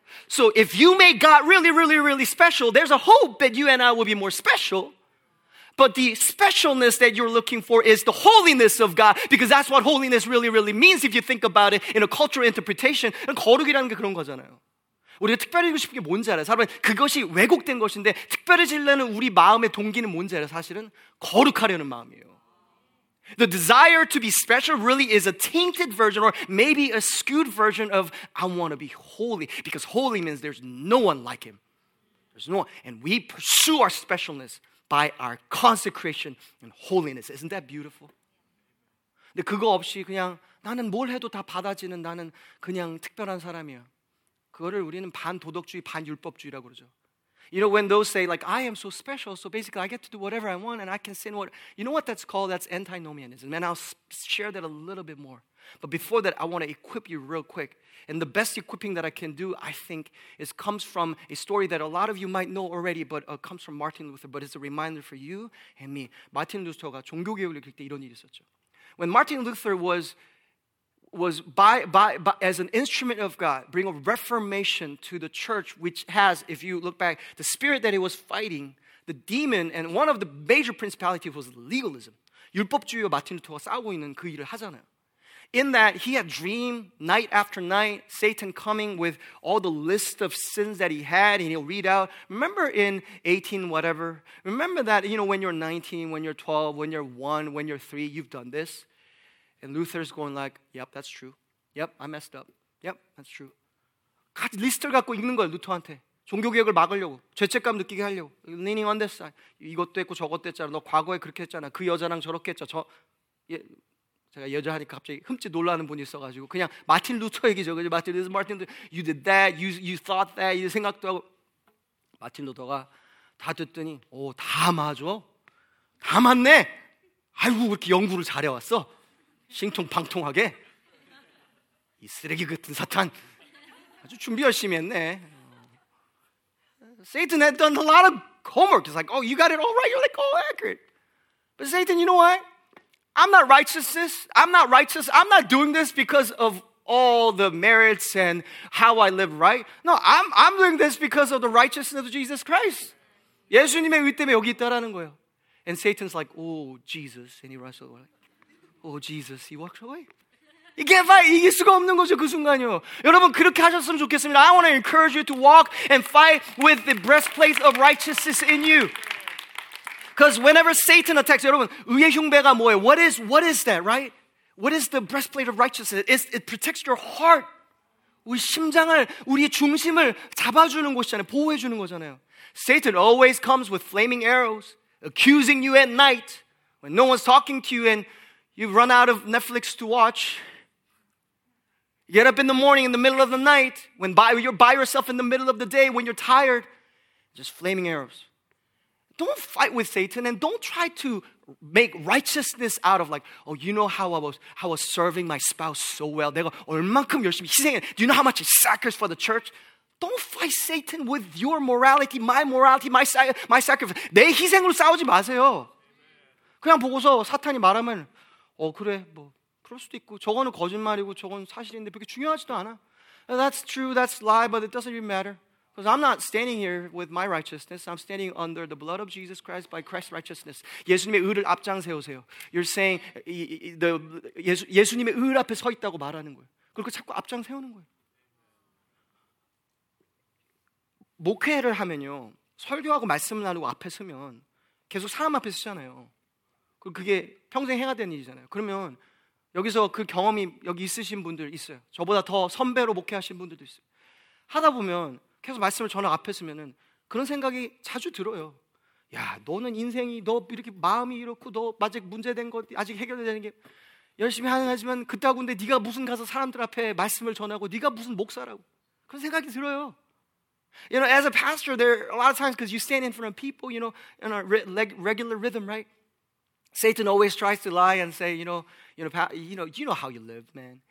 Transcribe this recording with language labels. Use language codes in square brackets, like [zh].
[en] So if you make God really, really, really special, there's a hope that you and I will be more special. But the specialness that you're looking for is the holiness of God, because that's what holiness really, really means if you think about it in a cultural interpretation. [ko] 거룩이라는 게 그런 거잖아요. 우리가 특별해지고 싶은 게 뭔지 알아요? 사람은 그것이 왜곡된 것인데 특별해지려는 우리 마음의 동기는 뭔지 알아요? 사실은 거룩하려는 마음이에요. [en] The desire to be special really is a tainted version or maybe a skewed version of I want to be holy because holy means there's no one like him. There's no one. And we pursue our specialness by our consecration and holiness. Isn't that beautiful? [ko] 근데 그거 없이 그냥 나는 뭘 해도 다 받아지는 나는 그냥 특별한 사람이야. 그거를 우리는 반도덕주의, 반율법주의라고 그러죠. [en] You know, when those say, like, I am so special, so basically I get to do whatever I want and I can sin. What... You know what that's called? That's antinomianism. And I'll share that a little bit more. But before that, I want to equip you real quick. And the best equipping that I can do, I think, is comes from a story that a lot of you might know already, but comes from Martin Luther, but it's a reminder for you and me. [ko] Martin Luther가 종교개혁을 일으킬 때 이런 일이 있었죠. [en] When Martin Luther was as an instrument of God, bring a reformation to the church, which has, if you look back, the spirit that it was fighting, the demon, and one of the major principalities was legalism. [ko] 율법주의와 마틴 루터가 싸우고 있는 그 일을 하잖아요. [en] In that, he had dream night after night, Satan coming with all the list of sins that he had, and he'll read out. Remember in 18 whatever, remember that, you know, when you're 19, when you're 12, when you're 1, when you're 3, you've done this. And Luther's going like, yep, that's true. Yep, I messed up. Yep, that's true. [ko] 같이 리스트를 갖고 읽는 거예요, 루터한테. 종교개혁을 막으려고, 죄책감 느끼게 하려고. [en] Leaning on this side. [ko] 이것도 했고 저것도 했잖아. 너 과거에 그렇게 했잖아. 그 여자랑 저렇게 했잖아. 저, 예, 제가 여자 하니까 갑자기 흠집 놀라는 분이 있어가지고 그냥 마틴 루터 얘기죠. [en] 그죠? 마틴 루터, Martin Luther, you did that, you thought that, [ko] 이 생각도 하고. 마틴 루터가 다 듣더니, 오, 다 맞아. 다 맞네. 아이고, 이렇게 연구를 잘해왔어. 싱통팡통하게 이 쓰레기 같은 사탄 아주 준비 열심히 했네. [en] Satan had done a lot of homework. It's like, oh, you got it all right. You're like, oh, accurate. But Satan, you know what? I'm not righteous. I'm not doing this because of all the merits and how I live right. No, I'm doing this because of the righteousness of Jesus Christ. [ko] 예수님의 의 때문에 여기 있다라는 거예요. [en] And Satan's like, oh, Jesus. And he runs away. Oh, Jesus. He walks away. [ko] 이게 봐, 이길 수가 없는 거죠, 그 순간이요. 여러분, 그렇게 하셨으면 좋겠습니다. [en] I want to encourage you to walk and fight with the breastplate of righteousness in you. Because whenever Satan attacks, [ko] 여러분, 의의 흉배가 뭐예요? [en] What is that, right? What is the breastplate of righteousness? It protects your heart. [ko] 우리 심장을, 우리의 중심을 잡아주는 곳이잖아요. 보호해주는 거잖아요. [en] Satan always comes with flaming arrows, accusing you at night, when no one's talking to you and you've run out of Netflix to watch. You get up in the morning, in the middle of the night, when you're by yourself in the middle of the day, when you're tired, just flaming arrows. Don't fight with Satan and don't try to make righteousness out of like, oh, you know how I was serving my spouse so well. [ko] 내가 얼만큼 열심히 희생해. [en] Do you know how much I sacrificed for the church? Don't fight Satan with your morality, my sacrifice. [ko] 내 희생으로 싸우지 마세요. 그냥 보고서 사탄이 말하면, 어, 그래, 뭐. 그럴 수도 있고 저거는 거짓말이고 저건 사실인데 그렇게 중요하지도 않아. [en] That's true, that's lie, but it doesn't even matter. Because I'm not standing here with my righteousness. I'm standing under the blood of Jesus Christ by Christ's righteousness. [ko] 예수님의 의를 앞장세우세요. [en] You're saying the [ko] 예수님의 의 앞에 서 있다고 말하는 거예요. 그렇게 자꾸 앞장세우는 거예요. 목회를 하면요. 설교하고 말씀을 나누고 앞에 서면 계속 사람 앞에 서잖아요. 그게 평생 해야 되는 일이잖아요. 그러면 여기서 그 경험이 여기 있으신 분들 있어요. 저보다 더 선배로 목회하신 분들도 있어요. 하다 보면 계속 말씀을 전하고 앞에 서면은 그런 생각이 자주 들어요. 야, 너는 인생이 너 이렇게 마음이 이렇고 너 아직 문제된 것 아직 해결되는 게 열심히 하지만 그따구인데 네가 무슨 가서 사람들 앞에 말씀을 전하고 네가 무슨 목사라고 그런 생각이 들어요. [en] You know, as a pastor, there a lot of times because you stand in front of people, you know, in a regular rhythm, right? Satan always tries to lie and say, you know how you live, man.